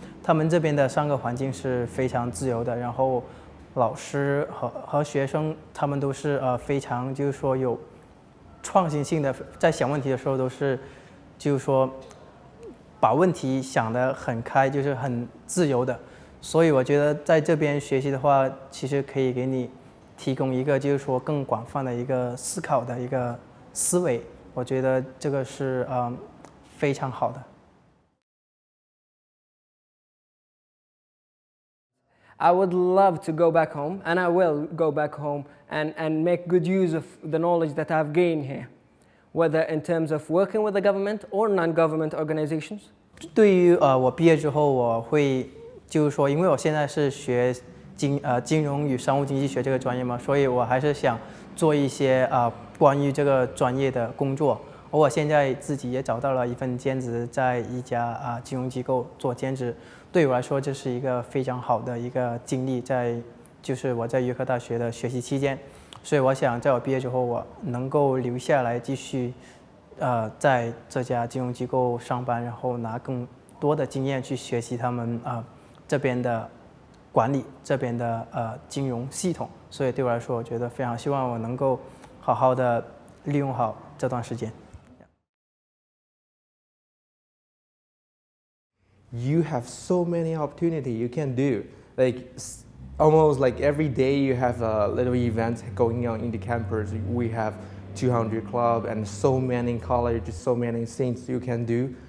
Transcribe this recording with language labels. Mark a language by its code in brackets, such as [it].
[zh] 他们这边的上课环境是非常自由的，然后老师和学生他们都是非常就是说有创新性的，在想问题的时候都是就是说把问题想得很开，就是很自由的。所以我觉得在这边学习的话，其实可以给你提供一个就是说更广泛的一个思考的一个思维，我觉得这个是非常好的。 [en] I would love to go back home, and I will go back home and make good use of the knowledge that I've gained here, whether in terms of working with the government or non-government organizations. [zh] 对于我毕业之后，我会就是说，因为我现在是学金融与商务经济学这个专业嘛，所以我还是想做一些关于这个专业的工作。而我现在自己也找到了一份兼职，在一家金融机构做兼职。对我来说，这是一个非常好的一个经历，在就是我在约克大学的学习期间，所以我想在我毕业之后，我能够留下来继续，在这家金融机构上班，然后拿更多的经验去学习他们这边的管理，这边的金融系统。所以对我来说，我觉得非常希望我能够好好的利用好这段时间。 [en] you have so many opportunities you can do. Like, almost like every day you have a little event going on in the campus. We have 200 club and so many colleges, so many things you can do.